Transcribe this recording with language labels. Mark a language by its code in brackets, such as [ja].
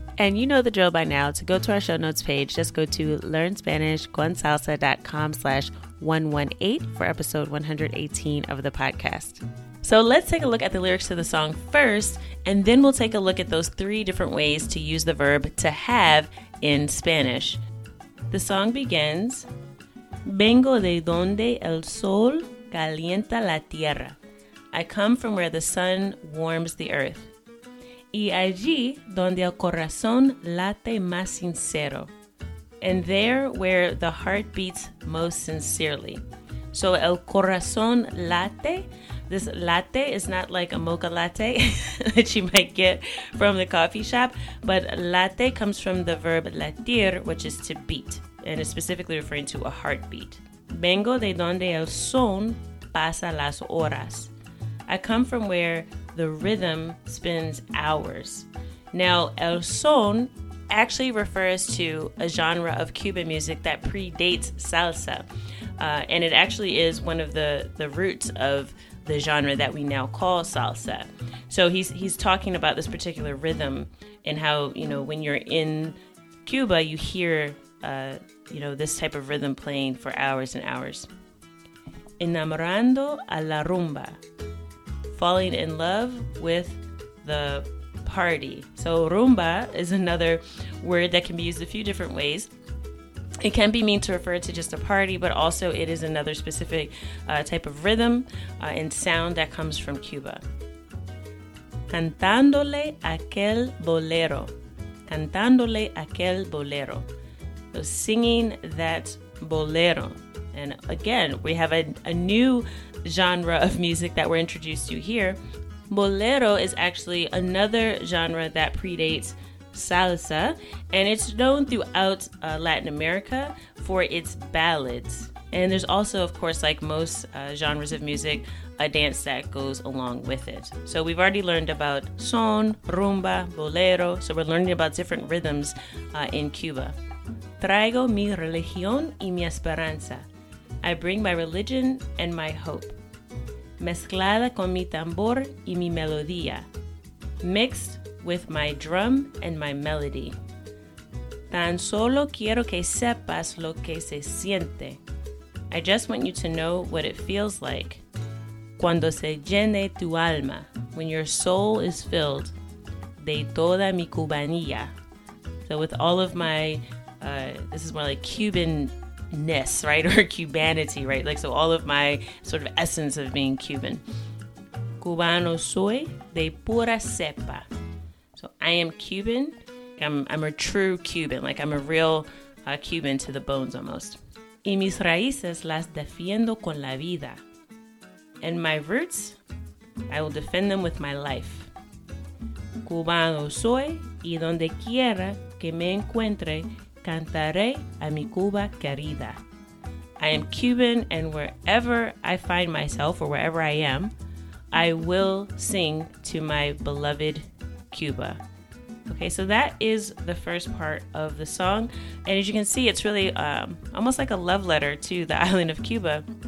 [en] And you know the drill by now. To go to our show notes page, just go to learnspanishconsalsa.com/118 for episode 118 of the podcast. So let's take a look at the lyrics to the song first, and then we'll take a look at those three different ways to use the verb to have in Spanish. The song begins, [es] Vengo de donde el sol calienta la tierra. [en] I come from where the sun warms the earth. [es] Y allí donde el corazón late más sincero. [en] And there where the heart beats most sincerely. So [es] el corazón late, [en] this late is not like a mocha latte that you might get from the coffee shop, but late comes from the verb latir, which is to beat, and it's specifically referring to a heartbeat. [es] Vengo de donde el son pasa las horas. [en] I come from where the rhythm spends hours. Now, el son actually refers to a genre of Cuban music that predates salsa. And it actually is one of the roots of the genre that we now call salsa. So he's talking about this particular rhythm and how, you know, when you're in Cuba, you hear, this type of rhythm playing for hours and hours. [es] Enamorando a la rumba. [en] Falling in love with the party. So rumba is another word that can be used a few different ways. It can be mean to refer to just a party, but also it is another specific type of rhythm and sound that comes from Cuba. [es] Cantándole aquel bolero. Cantándole aquel bolero. [en] So singing that bolero. And again, we have a new genre of music that we're introduced to here. Bolero is actually another genre that predates salsa, and it's known throughout Latin America for its ballads. And there's also, of course, like most genres of music, a dance that goes along with it. So we've already learned about son, rumba, bolero, so we're learning about different rhythms in Cuba. [es] Traigo mi religión y mi esperanza. [en] I bring my religion and my hope. [es] Mezclada con mi tambor y mi melodía. [en] Mixed with my drum and my melody. [es] Tan solo quiero que sepas lo que se siente. [en] I just want you to know what it feels like. [es] Cuando se llene tu alma. [en] When your soul is filled. [es] De toda mi cubanía. [en] So with all of my, this is more like Cuban ness, right? Or Cubanity, right? Like, so all of my sort of essence of being Cuban. [es] Cubano soy de pura cepa. [en] So I am Cuban. I'm a true Cuban. Like, I'm a real Cuban to the bones almost. [es] Y mis raíces las defiendo con la vida. [en] And my roots, I will defend them with my life. [es] Cubano soy y donde quiera que me encuentre, cantaré a mi Cuba querida. [en] I am Cuban, and wherever I find myself or wherever I am, I will sing to my beloved Cuba. Okay, so that is the first part of the song. And as you can see, it's really almost like a love letter to the island of Cuba.